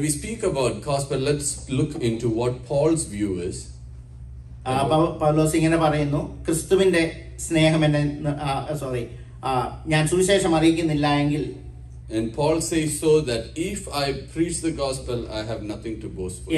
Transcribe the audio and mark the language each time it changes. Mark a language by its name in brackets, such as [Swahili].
[English] When we speak about gospel, let's look into what Paul's view is. [Malayalam] പൗലോസ് ഇങ്ങനെ പറയുന്നു, ക്രിസ്തുവിന്റെ സ്നേഹം എന്നെ, സോറി, ഞാൻ സുവിശേഷം അറിയിക്കുന്നില്ല എങ്കിൽ. [English] And Paul says so that if I preach the gospel, I have nothing to boast for.